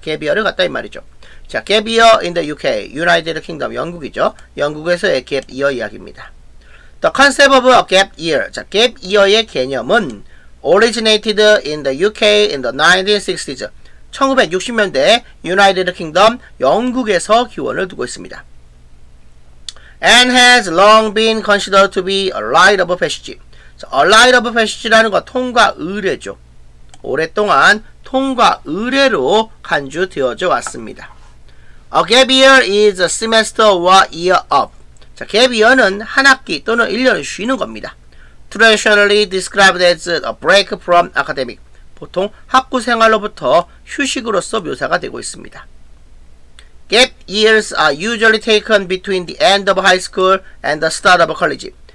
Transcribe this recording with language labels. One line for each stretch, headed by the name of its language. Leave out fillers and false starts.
Korean: Gap Year를 갖다 이 말이죠. 자, Gap Year in the UK, United Kingdom, 영국이죠. 영국에서의 Gap Year 이야기입니다. The concept of a Gap Year.
English: 자, Gap Year의 개념은 originated in the UK in the 1960s.
Korean: 1960년대 유나이티드 킹덤 영국에서 기원을 두고 있습니다.
English: And has long been considered to be a light of passage.
Korean: So, a light of passage라는 거 통과 의례죠. 오랫동안 통과 의례로 간주되어져 왔습니다.
English: A gap year is a semester or year off. 자, gap year는 한 학기 또는 1년을 쉬는 겁니다. Traditionally described as a break from academic.
Korean: 보통 학구 생활로부터 휴식으로서 묘사가 되고 있습니다.
English: Gap years are usually taken between the end of high school and the start of college.